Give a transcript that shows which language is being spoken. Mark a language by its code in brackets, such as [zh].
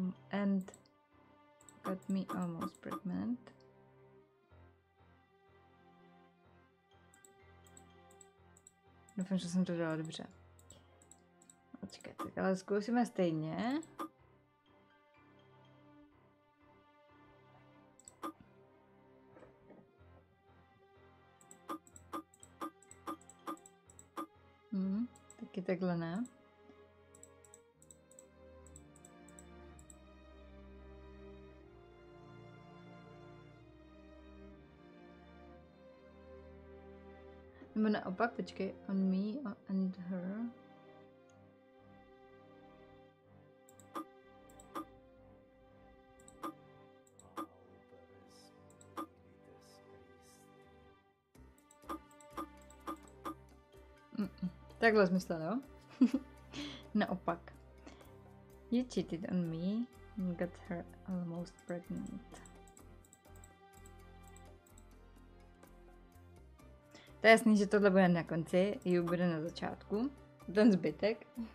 [en] and got me almost pregnant. [cs] Doufám, že jsem to dala dobře. Počkejte, ale zkusíme stejně. Taky takhle ne. Nebo naopak, počkej, [en] on me and her. [cs] Takhle zmyslel, jo? Naopak. [en] You cheated on me and got her almost pregnant. [cs] To je jasný, že tohle bude na konci, you bude na začátku. Ten zbytek.